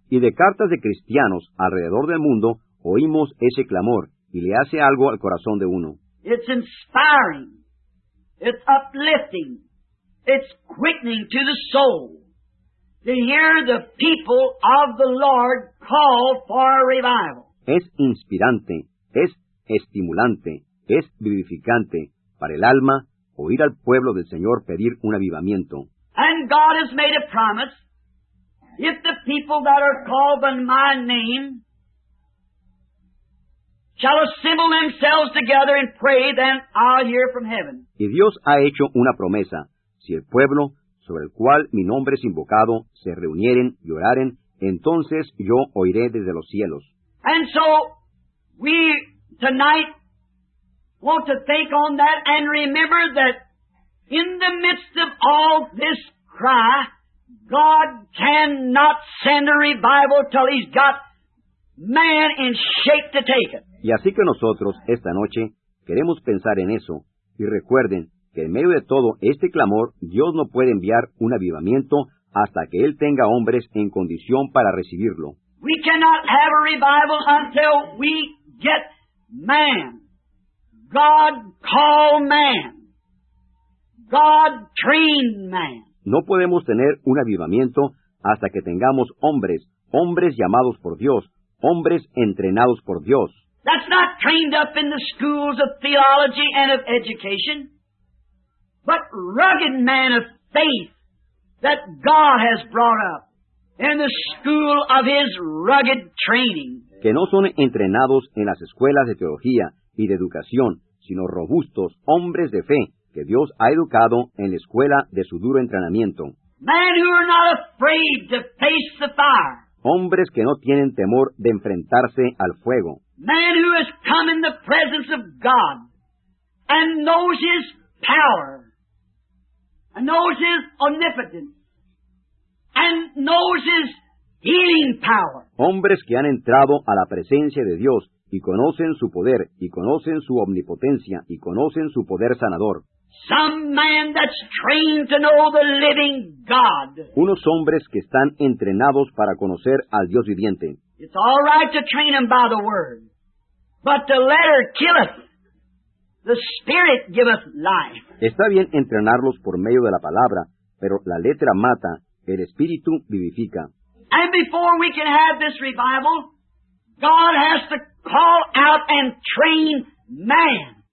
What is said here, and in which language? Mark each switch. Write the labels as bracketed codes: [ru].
[es] Y de cartas de cristianos alrededor del mundo, oímos ese clamor, y le hace algo al corazón de uno. [en] It's inspiring. It's uplifting. It's quickening to the soul to hear the people of the Lord call for a revival. [es] Es inspirante, es estimulante, es vivificante para el alma oír al pueblo del Señor pedir un avivamiento. [en] And God has made a promise. If the people that are called by my name shall assemble themselves together and pray, then I'll hear from heaven. [es] Y Dios ha hecho una promesa. Si el pueblo sobre el cual mi nombre es invocado se reunieren y oraren, entonces yo oiré desde los cielos. [en] And so, we tonight want to think on that and remember that in the midst of all this cry, God cannot send a revival till he's got man in shape to take it. [es] Y así que nosotros, esta noche, queremos pensar en eso. Y recuerden que en medio de todo este clamor, Dios no puede enviar un avivamiento hasta que Él tenga hombres en condición para recibirlo. [en] We cannot have a revival until we get man. God called man. God trained man. [es] No podemos tener un avivamiento hasta que tengamos hombres, hombres llamados por Dios, hombres entrenados por Dios. [en] That's not trained up in the schools of theology and of education, but rugged man of faith that God has brought up in the school of his rugged training. [es] Que no son entrenados en las escuelas de teología y de educación, sino robustos hombres de fe que Dios ha educado en la escuela de su duro entrenamiento. [en] Men who are not afraid to face the fire. [es] Hombres que no tienen temor de enfrentarse al fuego. [en] Man who has come in the presence of God and knows his power and knows his omnipotence and knows his healing power. [es] Hombres que han entrado a la presencia de Dios y conocen su poder y conocen su omnipotencia y conocen su poder sanador. [en] Some man that's trained to know the living God. [es] Unos hombres que están entrenados para conocer al Dios viviente. [en] It's all right to train them by the word. But the letter killeth, the spirit giveth life. [es] Está bien entrenarlos por medio de la palabra, pero la letra mata, el espíritu vivifica. [en] And before we can have this revival, God has to call out and train man.